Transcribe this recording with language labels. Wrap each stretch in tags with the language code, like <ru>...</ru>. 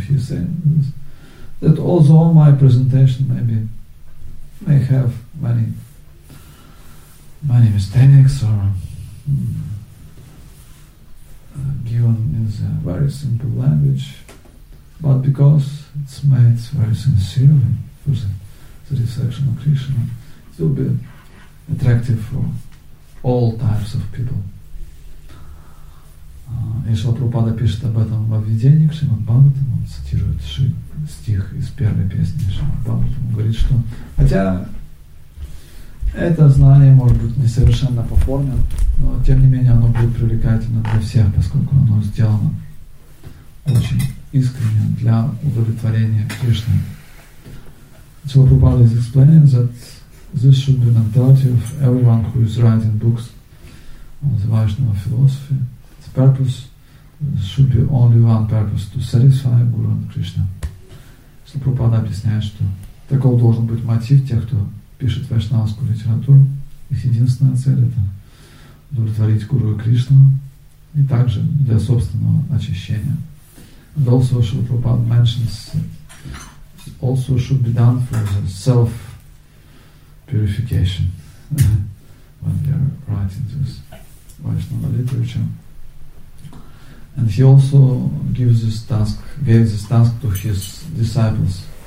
<en>He says that although my presentation maybe may have many mistakes or given in a very simple language, but because it's made very sincerely for the reception of Krishna, it will be attractive for all types of people.</en> <ru>И Шрила Прабхупада пишет об этом во введении к Шримад Бхагаватам, он цитирует стих из первой песни Шримад Бхагаватам, он говорит, что хотя это знание может быть не совершенно по форме, но тем не менее оно будет привлекательно для всех, поскольку оно сделано очень искренне для удовлетворения Кришны.</ru> <en>Шрила Прабхупада is explaining that this should be mentality of everyone who is writing books on the Vaishnava philosophy. Purpose should be only one purpose, to satisfy Guru and Krishna.</en> <ru>Шрила Прабхупада объясняет, что таков должен быть мотив тех, кто пишет вайшнавскую литературу. Их единственная цель — это удовлетворить Гуру и Кришну, и также для собственного очищения.</ru> <en>And also Шрила Прабхупада mentions that it also should be done for the self-purification when we are writing this Vaishnava literature. And he also gave this task to his disciples.</en>